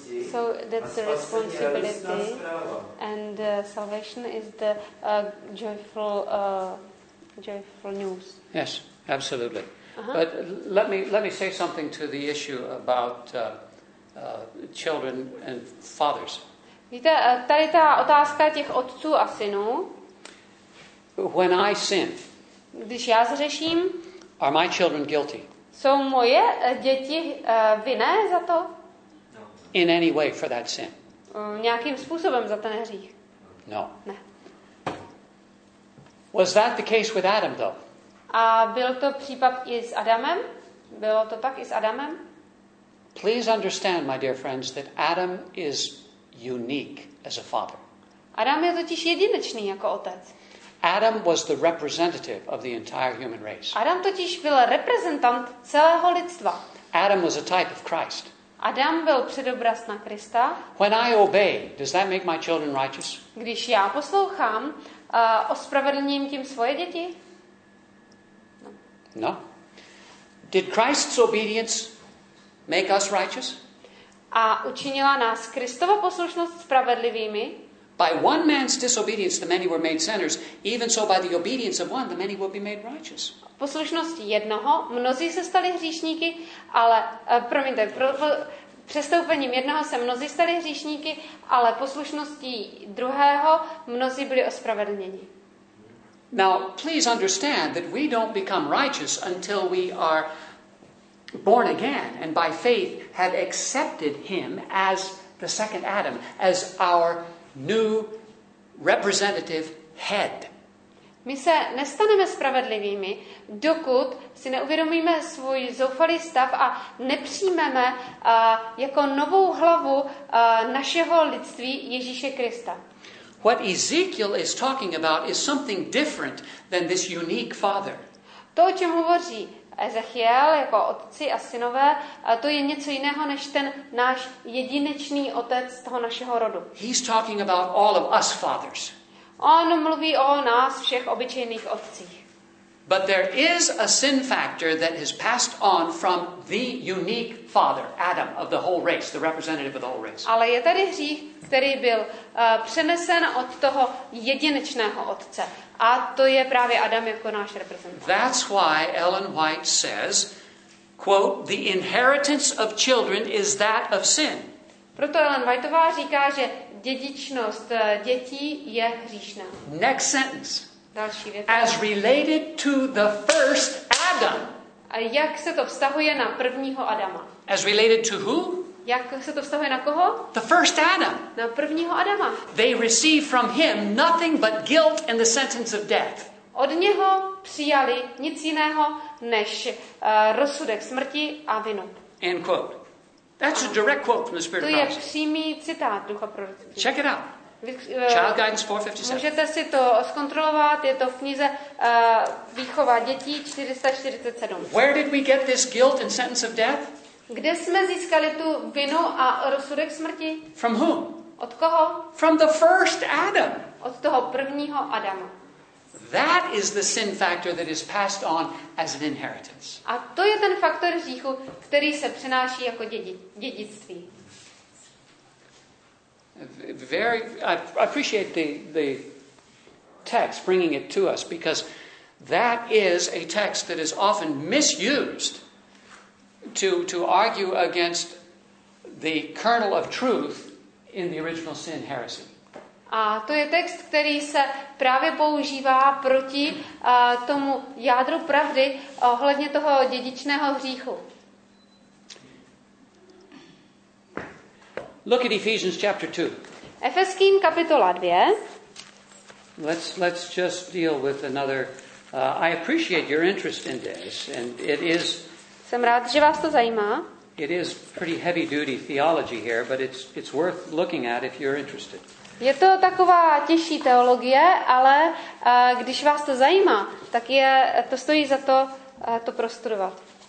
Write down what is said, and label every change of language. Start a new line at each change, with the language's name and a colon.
English: So that's the responsibility, and salvation is the joyful news. Yes, absolutely. Uh-huh. But let me say something to the issue about children and fathers.
Czech: Víte, tady ta otázka těch otců a synů.
English: When I sin,
Czech: když já zřeším,
English: are my children guilty?
Czech: Jsou moje děti vinné za to?
English: In any way for that sin?
Czech: Nějakým způsobem za ten hřích?
English: No.
Czech: Ne.
English: Was that the case with Adam though?
Czech: A byl to případ i s Adamem? Bylo to tak i s Adamem?
English: Please understand, my dear friends, that Adam is unique as a father.
Czech: Adam je totiž jedinečný jako otec.
English: Adam was the representative of the entire human race.
Czech: Adam totiž byl reprezentant celého lidstva.
English: Adam was a type of Christ.
Czech: Adam byl předobraz na Krista.
English: When I obey, does that make my children righteous?
Czech: Když já poslouchám, ospravedlním tím svoje děti?
English: No. Did Christ's obedience make us righteous?
Czech: A učinila nás Kristova poslušnost spravedlivými?
English: By one man's disobedience the many were made sinners, even so by the obedience of one the many will be made righteous.
Czech: Poslušnost jednoho mnozí se stali hříšníky, ale promiňte, přestoupením jednoho se mnozí stali hříšníky, ale poslušností druhého mnozí byli ospravedlněni.
English: Now, please understand that we don't become righteous until we are born again and by faith have accepted him as the second Adam, as our new representative head.
Czech: My se nestaneme spravedlivými, dokud si neuvědomíme svůj zoufalý stav a nepřijmeme jako novou hlavu našeho lidství Ježíše Krista.
English: What Ezekiel is talking about is something different than this unique father.
Czech: To, o čem hovoří Ezechiel jako otci a synové, to je něco jiného než ten náš jedinečný otec toho našeho rodu.
English: He's talking about all of us fathers.
Czech: On mluví o nás všech obyčejných otcích.
English: But there is a sin factor that has passed on from the unique father, Adam, of the whole race, the representative of the whole race.
Czech: Ale je tady hřích, který byl přenesen od toho jedinečného otce. A to je právě Adam jako náš reprezentant.
English: That's why Ellen White says, quote, the inheritance of children is that of sin.
Czech: Proto Ellen Whiteová říká, že dědičnost dětí je hříšná.
English: Next sentence.
Czech: Další věta.
English: As related to the first Adam.
Czech: A jak se to vztahuje na prvního Adama?
English: As related to who?
Czech: Jak se to vztahuje na koho?
English: The first Adam.
Czech: Na prvního Adama.
English: They receive from him nothing but guilt and the sentence of death.
Czech: Od něho přijali nic jiného než rozsudek smrti a vinu.
English: End quote. That's a direct quote from the Spirit of God.
Czech: To je přímý citát Ducha proroctví.
English: Check it out. Child Guidance 457.
Czech: Můžete si to zkontrolovat, je to v knize Výchova dětí 447.
English: Where did we get this guilt and sentence of death?
Czech: Kde jsme získali tu vinu a rozsudek smrti?
English: From whom?
Czech: Od koho?
English: From the first Adam.
Czech: Od toho prvního Adama.
English: That is the sin factor that is passed on as an inheritance.
Czech: A to je ten faktor hříchu, který se přenáší jako dědictví.
English: Very, I appreciate the text bringing it to us because that is a text that is often misused to argue against the kernel of truth in the original sin heresy.
Czech: A to je text, který se právě používá proti tomu jádru pravdy ohledně toho dědičného hříchu.
English: Look at Ephesians chapter 2.
Czech: Efeským kapitola 2.
English: Let's just deal with another. I appreciate your interest in this and it is.
Czech: Jsem rád, že vás to zajímá.
English: It is pretty heavy duty theology here, but it's worth looking at if you're interested.
Czech: Je to taková těžší teologie, ale když vás to zajímá, tak je to stojí za to to prostudovat.